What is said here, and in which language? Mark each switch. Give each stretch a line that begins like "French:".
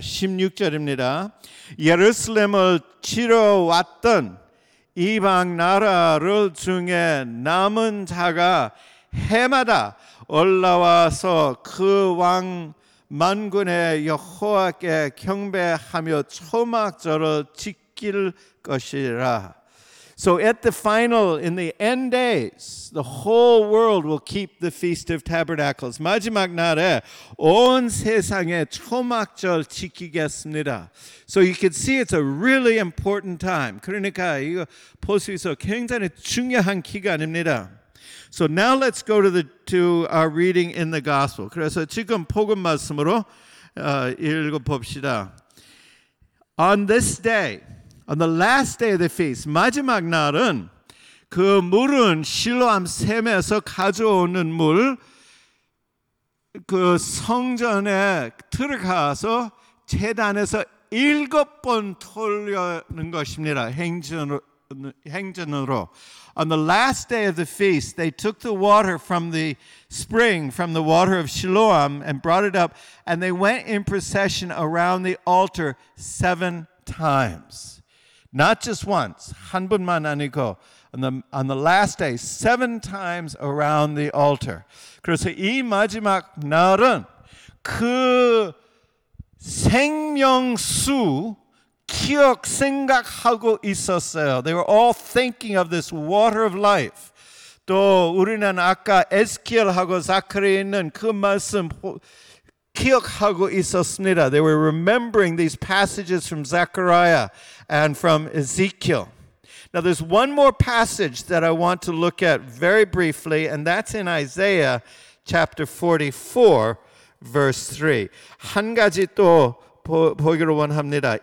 Korean: 16절입니다. 예루살렘을 치러 왔던 이방 나라를 중에 남은 자가 해마다 올라와서 그 왕 만군의 여호와께 경배하며 초막절을 지킬 것이라.
English: So at the final, in the end days, the whole world will keep the Feast of Tabernacles.
Korean: 마지막 날에 온 세상에 초막절 지키겠습니다.
English: So you can see it's a really important time.
Korean: 그러니까 이거 볼 수 있어 굉장히 중요한 기간입니다.
English: So now let's go to our reading in the gospel.
Korean: 그래서 지금 복음 말씀으로 읽어봅시다.
English: On this day, on the last day of the feast,
Korean: 마지막 날은 그 물은 실로암 샘에서 가져오는 물, 그 성전에 들어가서 제단에서 일곱 번 돌려는 것입니다. 행진으로.
English: On the last day of the feast, they took the water from the spring, from the water of Siloam, and brought it up, and they went in procession around the altar seven times. Not just once,
Korean: 한 번만 아니고,
English: on the last day, seven times around the altar.
Korean: 그래서 이 마지막 날은 그 생명수 기억 생각하고 있었어요.
English: They were all thinking of this water of life.
Korean: 또 우리는 아까 에스키엘하고 자카리아는 그 말씀 기억하고 있었습니다.
English: They were remembering these passages from Zechariah and from Ezekiel. Now there's one more passage that I want to look at very briefly, and that's in Isaiah chapter 44, verse 3.
Korean: 한 가지 또 보기를 원합니다.